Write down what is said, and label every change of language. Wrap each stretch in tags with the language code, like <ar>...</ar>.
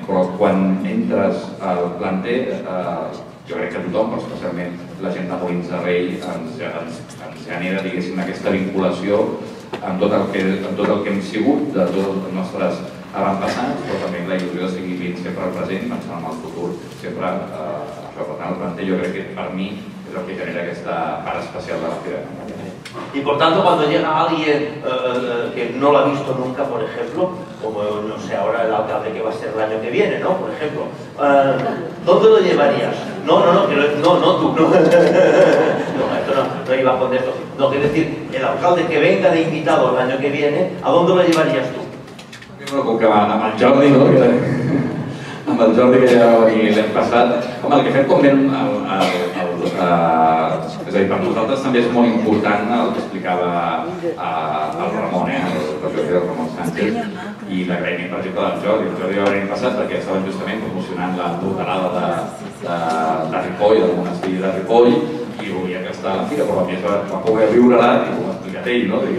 <ca>Però quan entres al planter, jo crec que tothom, però especialment la gent de Molins de Rei, ens genera, diguéssim, aquesta vinculació amb tot el que hem sigut de tots els nostres avantpassats, però també la il·lusió de seguir vint sempre al present, pensant en el futur, sempre això. Per tant, el planter jo crec que per mi és el que genera aquesta part especial de la fira.</ca> <es>Y por tanto, cuando llega alguien que no lo ha visto nunca, por ejemplo, como no sé ahora el alcalde que va a ser el año que viene, ¿no? Por ejemplo, ¿dónde lo llevarías? No, tú. No iba a poner esto. No, quiero decir, el alcalde que venga de invitado el año que viene, ¿a dónde lo llevarías tú? Bueno, con que va a Jordi, ¿no?</es> <ca>Amb el Jordi, que ja va venir l'any passat. Home, el que fem com vam... És a dir, per nosaltres també és molt important el que explicava el Ramon, el Ramon Sánchez, i l'agraïment, per exemple, del Jordi. El Jordi va venir l'any passat perquè estaven justament promocionant la portalada de Ripoll, del monestir de Ripoll, i volia que estava a la fira, però a mi va poder viure-la, i ho ha explicat ell, no?</ca>